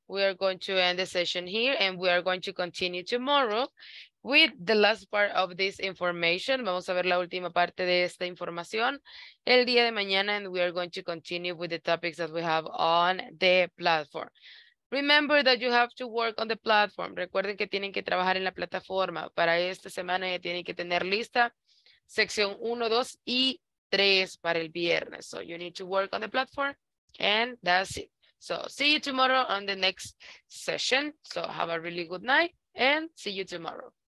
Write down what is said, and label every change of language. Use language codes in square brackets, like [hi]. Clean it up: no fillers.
[en] We are going to end the session here and we are going to continue tomorrow with the last part of this information. [es] Vamos a ver la última parte de esta información el día de mañana [en] and we are going to continue with the topics that we have on the platform. Remember that you have to work on the platform. [es] Recuerden que tienen que trabajar en la plataforma. Para esta semana ya tienen que tener lista sección 1, 2 y 3 para el viernes. [en] So you need to work on the platform and that's it. So see you tomorrow on the next session. So have a really good night and see you tomorrow.